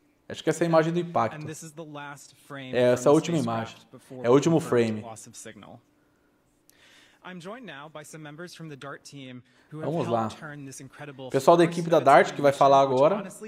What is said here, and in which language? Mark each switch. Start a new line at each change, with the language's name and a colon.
Portuguese: Acho que essa é a imagem do impacto.
English: And this is the last frame
Portuguese: essa é a última imagem, é o último frame.
English: I'm joined now by some members from the DART team who have helped turn this incredible.
Portuguese: Pessoal da equipe da DART que vai falar agora.